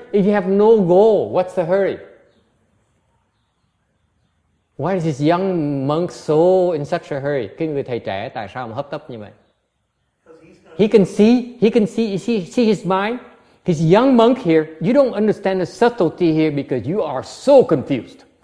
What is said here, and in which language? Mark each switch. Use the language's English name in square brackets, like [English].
[English] If you have no goal, what's the hurry? Why is this young monk so in such a hurry? [Vietnamese] Cái người thầy trẻ tại sao mà hấp tấp như vậy? [English] He can see his mind. His young monk here, you don't understand the subtlety here because you are so confused.